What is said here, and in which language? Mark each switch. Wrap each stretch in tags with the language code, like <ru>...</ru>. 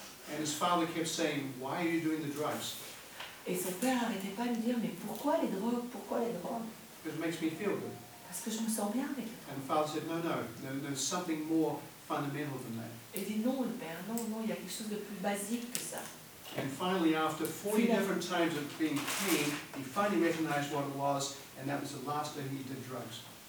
<en>And his father kept saying, why are you doing the drugs?</en> <fr>Et son père n'arrêtait pas de dire, mais pourquoi les drogues? Pourquoi les drogues?</fr> <en>Because it makes me feel good.</en> <fr>Parce que je me sens bien avec.</fr> <en>And the father said, no, there's something more fundamental than that.</en> <fr>Et dit non, le père, non, il y a quelque chose de plus basique que ça.</fr> <en>And finally, after 40 different times of being clean, he finally recognized what it was, and that was the last time he did drugs.</en>